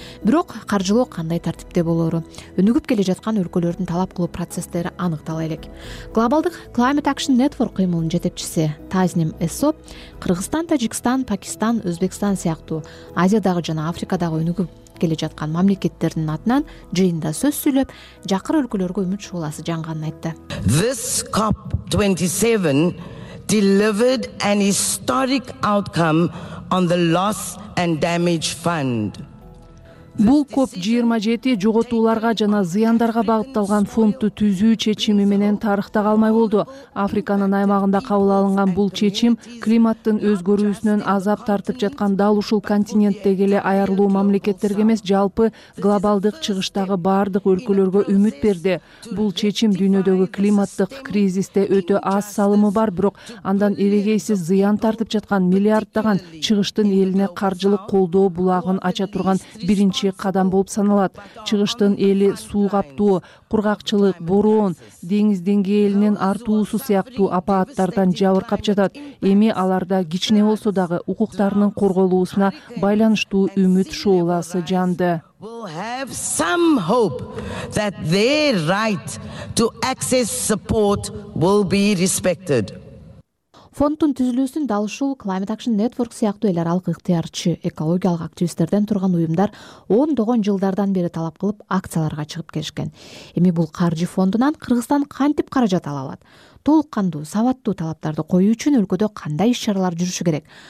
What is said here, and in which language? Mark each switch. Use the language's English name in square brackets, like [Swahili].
[Kyrgyz] Бирок каржылоо кандай тартипте болору, өнүгүп келе жаткан өлкөлөрдүн талап кылуу процесстери анык тала элек. Глобалдык Climate Action Network кыймылынын жетекчиси Тазним Эсоп Кыргызстан, Тажикстан, Пакистан, Өзбекстан сыяктуу Азиядагы жана Африкадагы өнүгүп келе жаткан мамлекеттердин атынан жыйында сөз сүйлөп, жакыр өлкөлөргө үмүт шууласы жанганын айтты. [English] This COP 27 delivered an historic outcome on the loss and damage fund. [Kyrgyz] Бул КОП 27 жоготууларга жана зыяндарга багытталган фондду түзүү чечими менен тарыхта калмай болду. Африканын аймагында кабыл алынган бул чечим климаттын өзгөрүүсүнөн азап тартып жаткан дал ушул континенттеги эле аярлуу мамлекеттерге эмес, жалпы глобалдык чыгыштагы баардык өлкөлөргө үмүт берди. Бул чечим дүйнөдөгү климаттык кризисте өтө аз салымы бар, бирок андан эрегейсиз зыян тартып жаткан миллиарддаган чыгыштын элине каржылык колдоо булагын ача турган биринчи кадам болуп саналат. Чыгыштын эли суу каптоо, кургакчылык, бороон, деңиз деңгээлинин артуусу сыяктуу апааттардан жабыркап жатат. Эми аларда кичине болсо дагы укуктарынын корголуусуна байланыштуу үмүт шууласы жанды. [English] We'll have some hope that their right to access support will be respected. [Kyrgyz] Фондун түзүлүүсүн дал ушул Climate Action Network сыяктуу эл аралык ыктыярчы экологиялык активисттерден турган уюмдар ондогон жылдардан бери талап кылып акцияларга чыгып келишкен. Эми бул каржы фондунан Кыргызстан кантип каражат ала алат? Толук кандуу, сабаттуу талаптарды коюу үчүн өлкөдө кандай иш-чаралар жүрүшү керек?